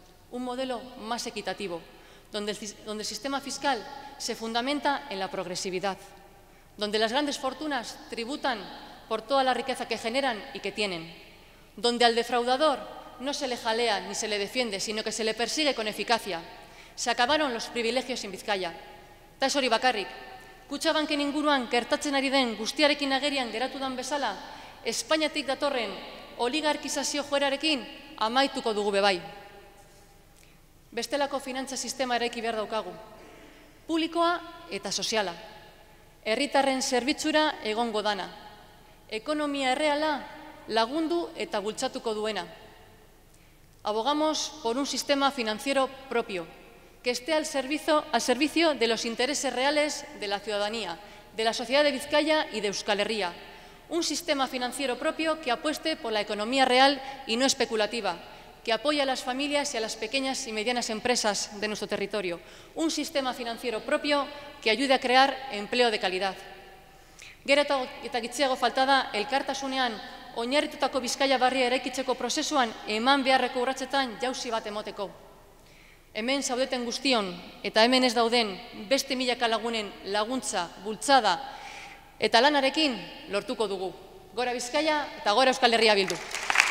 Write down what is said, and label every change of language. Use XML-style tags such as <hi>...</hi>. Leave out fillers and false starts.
<es>Un modelo más equitativo, donde el sistema fiscal se fundamenta en la progresividad. Donde las grandes fortunas tributan por toda la riqueza que generan y que tienen. Donde al defraudador no se le jalea ni se le defiende, sino que se le persigue con eficacia. Se acabaron los privilegios en Bizkaia.</es> <eu>Eta ez hori bakarrik. Kutxabanken inguruan gertatzen ari den guztiarekin agerian geratu dan bezala, Espainiatik datorren oligarkizazio joerarekin amaituko dugu bebai. Bestelako finantza sistema eraiki behar daukagu. Publikoa eta soziala. Herritarren zerbitzura egongo dana. Ekonomia erreala lagundu eta bultzatuko duena.</eu> <es>Abogamos por un sistema financiero propio, que esté al servicio de los intereses reales de la ciudadanía, de la sociedad de Bizkaia y de Euskal Herria. Un sistema financiero propio que apueste por la economía real y no especulativa, que apoye a las familias y a las pequeñas y medianas empresas de nuestro territorio. Un sistema financiero propio que ayude a crear empleo de calidad.</es> <eu>Gero eta gitxiago falta da, elkartasunean, oinarritutako Bizkaia barria eraikitzeko prozesuan eman beharreko urratsetan jauzi bat emoteko. Hemen zaudeten guztion eta hemen ez dauden beste milaka lagunen laguntza, bultzada eta lanarekin lortuko dugu. Gora Bizkaia eta gora Euskal Herria Bildu.</eu>